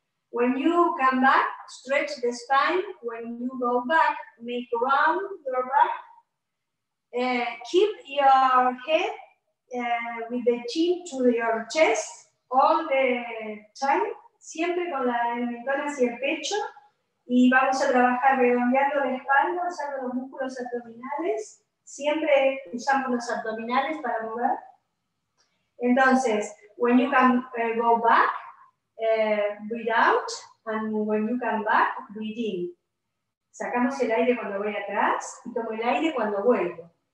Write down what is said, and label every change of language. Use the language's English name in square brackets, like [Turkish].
[English] When you come back, stretch the spine. When you go back, make round your back. Keep your head with the chin to your chest all the time. [Spanish] Siempre con la mentón hacia el pecho. Y vamos a trabajar redondeando la espalda, usando los músculos abdominales. Siempre usamos los abdominales para mover. [English] Entonces, when you can go back, breathe out. And when you come back, breathe in. [Spanish] Sacamos el aire cuando voy atrás y tomo el aire cuando vuelvo.